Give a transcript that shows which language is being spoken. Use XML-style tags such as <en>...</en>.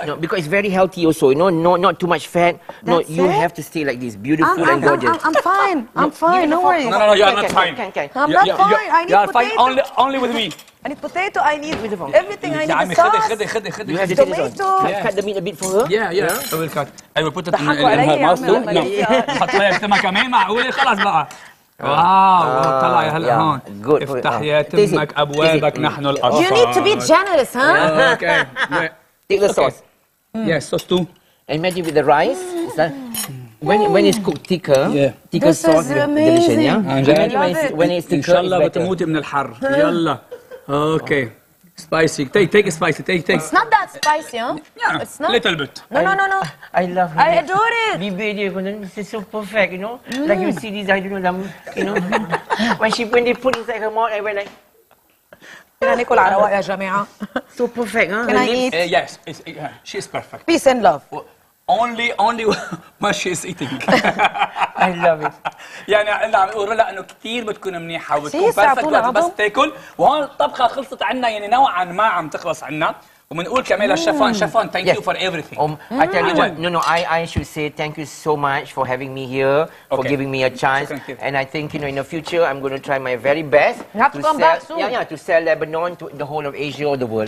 <en>Because it's very healthy also. Not too much fat. That's no, you it? Have to stay like this, beautiful and gorgeous. I'm fine. No worries. No, you are not fine. I'm not fine. I need potato. Only with me. I need potato. I need everything. I need the sauce.</en> <ar>خدي.</ar> <en>You have the tomato. Can I cut the meat a bit for her? Yeah. I will cut. I will put it in her mouth. No.</en> <ar>حط لها السمكة كمان معقولة خلاص بقى. واو طلع يا هلا هون افتح يا تمك ابوابك نحن الاصفار.</ar> <en>You need to be generous, huh? Okay. Take the sauce. Yes, sauce too. Imagine with the rice, when it's cooked thicker, thicker this sauce, is amazing. Imagine when it's thicker, Inshallah, but you won't die from the heat. Okay. Spicy. Take a spicy. It's not that spicy, huh? Yeah. It's not. Little bit. No. I love it. I adore it. Bibi, this is so perfect, you know? Like you see this, I don't know, you know? when they put inside her mouth, I went like... So perfect, huh? Can I eat? Yes, she's perfect. Peace and love. Only what she is eating. I love it.</en> <ar>يعني انا عم اقول لها انه كثير بتكون منيحه وبتكون بيرفكت بس تاكل وهون الطبخه خلصت عنا يعني نوعا ما عم تخلص عنا وبنقول كمان للشيفان شيفان</ar> <en>Thank you for everything. I tell you what, I should say thank you so much for having me here, for giving me a chance. And I think, you know, in the future, I'm going to try my very best. You have to come back soon. Yeah, to sell Lebanon to the whole of Asia or the world.</en>